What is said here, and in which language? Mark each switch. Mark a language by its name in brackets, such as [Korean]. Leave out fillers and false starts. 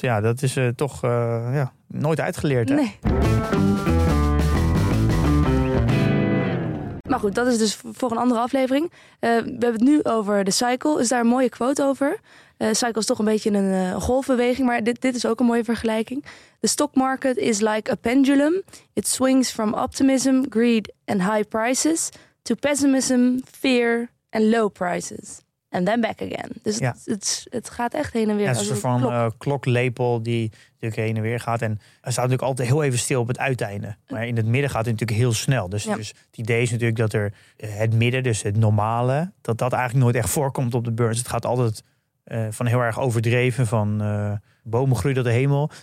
[Dutch] Ja, dat is toch nooit uitgeleerd, hè? Nee. Maar goed, dat is dus voor een andere aflevering. We hebben het nu over de cycle. Is daar een mooie quote over? Cycle is toch een beetje een golfbeweging, maar dit is ook een mooie vergelijking. [English] The stock market is like a pendulum. It swings from optimism, greed and high prices to pessimism, fear and low prices. And then back again. [Dutch] Dus ja. het gaat echt heen en weer. Ja, het is een soort van kloklepel die natuurlijk heen en weer gaat. En hij staat natuurlijk altijd heel even stil op het uiteinde. Maar in het midden gaat het natuurlijk heel snel. Dus, ja. Dus het idee is natuurlijk dat er het midden, dus het normale, dat eigenlijk nooit echt voorkomt op de beurs. Het gaat altijd van heel erg overdreven, van bomen groeien door de hemel.